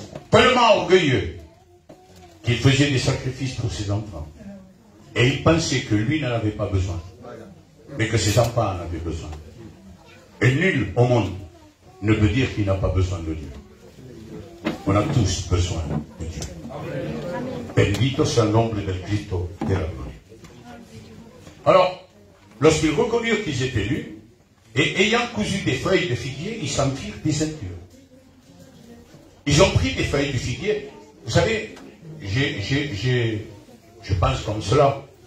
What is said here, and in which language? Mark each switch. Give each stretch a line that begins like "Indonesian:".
French: Tellement orgueilleux qu'il faisait des sacrifices pour ses enfants. Et il pensait que lui n'en avait pas besoin. Mais que ses enfants en avaient besoin. Et nul au monde ne peut dire qu'il n'a pas besoin de Dieu. On a tous besoin de Dieu. Amen.
Spanish: Bendito sea el nombre del Cristo de la gloria.
French: Alors, lorsqu'ils reconnurent qu'ils étaient nus, et ayant cousu des feuilles de figuier, ils s'en firent des ceintures. Ils ont pris des feuilles de figuier. Vous savez, je pense comme cela.